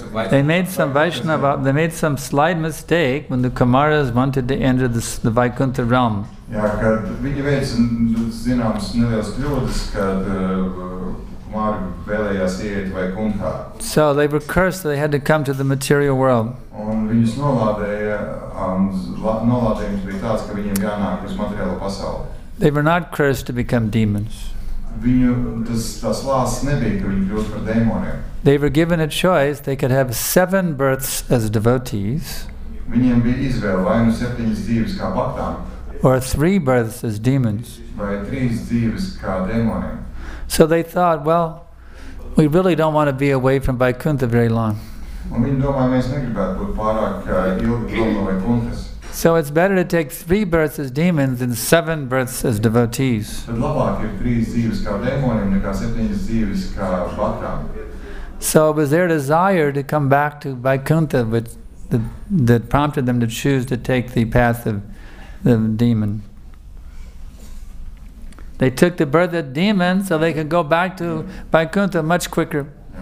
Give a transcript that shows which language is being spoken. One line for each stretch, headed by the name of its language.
English: They made some Vaishnava, they made some slight mistake when the Kumaras wanted to enter the Vaikuntha realm.
Latvian: Jā, kad viņi veic, zināms, nelielas kļūdas, kad Kumāri vēlējās ieiet Vaikuntha.
English: So they were cursed, so they had to come to the material world.
Latvian: Un viņus nolādēja, nolādējums bija tāds, ka viņiem jānāk uz materiālo pasauli.
English: They were not cursed to become demons.
Latvian: Viņu, tas lās nebija, ka viņi kļūst par dēmoniem.
English: They were given a choice, they could have 7 births as devotees.
Latvian: Viņiem bija izvēle, vai nu 7 dzīves kā baktām.
English: Or 3 births as demons.
Latvian: Vai 3 dzīves kā dēmoniem.
English: So they thought, well, we really don't want to be away from Vaikuntha very long.
Latvian: Un viņi domā, mēs negribētu būt pārāk ilgi no Vaikunthas.
English: So it's better to take 3 births as demons than 7 births as devotees.
Latvian: Bet labāk ir 3 dzīves kā dēmoniem, nekā 7 dzīves kā baktām.
English: So it was their desire to come back to Vaikuntha which that prompted them to choose to take the path of the demon. They took the birth of demon so they could go back to Vaikuntha much quicker.